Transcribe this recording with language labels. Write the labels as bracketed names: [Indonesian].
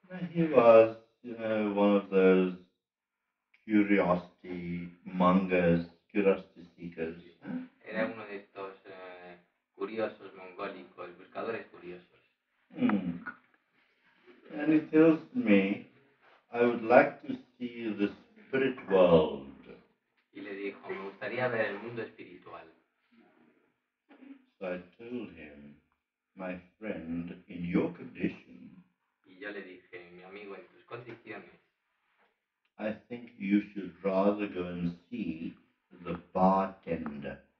[English] He was, you know, one of those curiosity mongers, curiosity seekers. [Spanish] Era uno de estos curiosos mongólicos, buscadores curiosos. [English] And he tells me, I would like to see the spirit world. [Spanish] Y le dijo, me gustaría ver el mundo espiritual. [English] So I told him, my friend, in your condition. [Spanish] Y yo le dije, mi amigo, en tus condiciones. [English] I think you should rather go and see the bartender.